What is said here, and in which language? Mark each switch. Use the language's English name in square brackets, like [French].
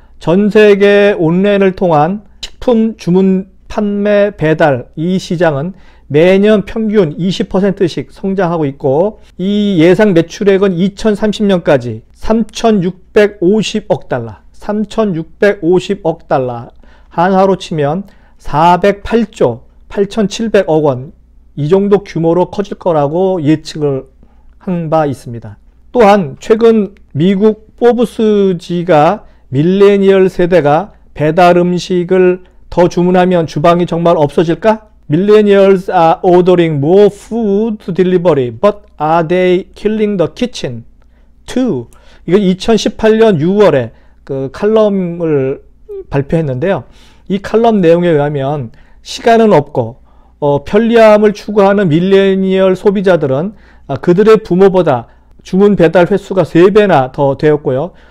[Korean] 전 세계 온라인을 통한 식품 주문 판매 배달 이 시장은 매년 평균 20%씩 성장하고 있고, 이 예상 매출액은 2030년까지 3,650억 달러, 3,650억 달러, 한화로 치면 408조 8,700억 원, 이 정도 규모로 커질 거라고 예측을 한바 있습니다. 또한, 최근 미국 포브스지가 밀레니얼 세대가 배달 음식을 더 주문하면 주방이 정말 없어질까? [English] Millennials are ordering more food delivery, but are they killing the kitchen too? [Korean] 이건 2018년 6월에 그 칼럼을 발표했는데요. 이 칼럼 내용에 의하면 시간은 없고 편리함을 추구하는 밀레니얼 소비자들은 그들의 부모보다 주문 배달 횟수가 3배나 더 되었고요.